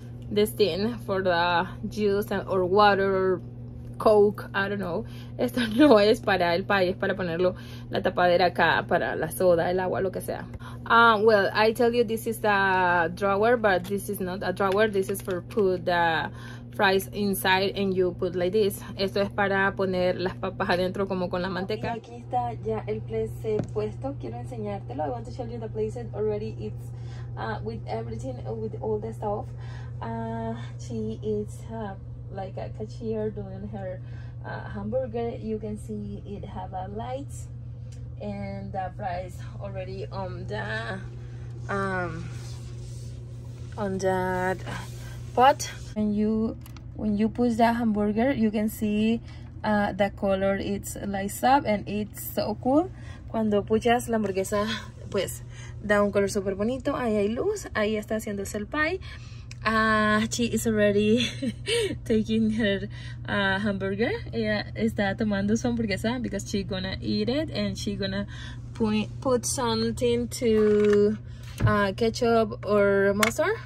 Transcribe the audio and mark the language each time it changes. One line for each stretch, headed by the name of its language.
English: This thing for the juice and, or water, or coke. I don't know.
Spanish: Esto no es para el pie. Es para ponerlo la tapadera acá para la soda, el agua, lo que sea.
English: Well, I tell you, this is a drawer, but this is not a drawer. This is for put the fries inside, and you put like this.
Spanish: Esto es para poner las papas adentro como con la manteca. Y aquí está ya el place puesto. Quiero enseñártelo.
English: I want to show you the place already. It's with everything, with all the stuff. She is like a cashier doing her hamburger. You can see it have a light, and the fries already on that pot. When you push the hamburger, you can see the color, it's lights up, and it's so cool.
Spanish: Cuando puchas la hamburguesa, pues da un color super bonito. Ahí hay luz, ahí está haciéndose el pie.
English: She is already taking her hamburger.
Spanish: Ella está tomando su hamburguesa,
English: because she's gonna eat it, and she's gonna put something to ketchup or mustard.